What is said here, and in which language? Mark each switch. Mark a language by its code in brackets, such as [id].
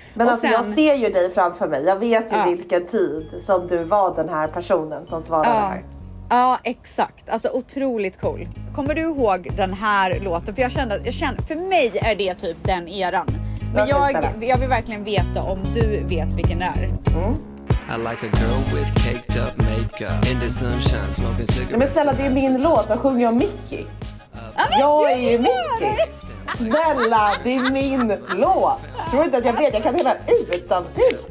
[sv] Men alltså, sen, jag ser ju dig framför mig. Jag vet ju vilken tid som du var den här personen som svarade här. Ja, exakt. Alltså otroligt cool. Kommer du ihåg den här låten? För jag kände, för mig är det typ den eran. Men jag vill verkligen veta om du vet vilken det är. Mm. [en] I like a girl with caked up makeup in the sunshine smoking cigarettes. [sv] Nej, men snälla, det är min låt. Jag sjunger om Mickey. Jag är ju Mickey. Snälla, det är min låt. Tror du inte att jag vet, jag kan hela ut samtidigt.